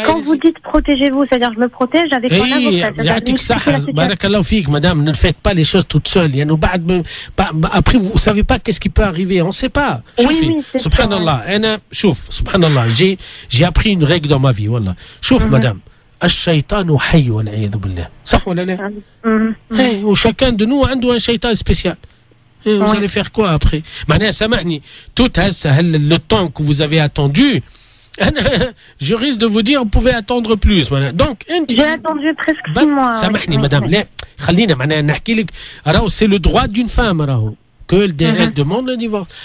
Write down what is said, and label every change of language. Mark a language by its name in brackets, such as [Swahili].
[French] Quand vous dites protégez-vous, c'est-à-dire je me protège avec mon avocat. Barakallahu fik, madame, ne faites pas les choses toutes seules. Il y a nos après, vous ne savez pas qu'est-ce qui peut arriver. On ne sait pas. Subhanallah. J'ai appris une règle dans ma vie. Voilà. Madame. [Arabic] الشيطان حي والعياذ بالله. صح ولا لا؟ [French] وشاكان دو نو [Arabic] عنده ان شيطان سبيسيال. [French] Vous allez faire quoi après? Maintenant, [Arabic] سامحني. [French] Tout le temps que vous avez attendu. Je risque de vous dire, on pouvait attendre plus. Donc, j'ai attendu presque 6 mois. C'est le droit d'une femme que elle demande le divorce.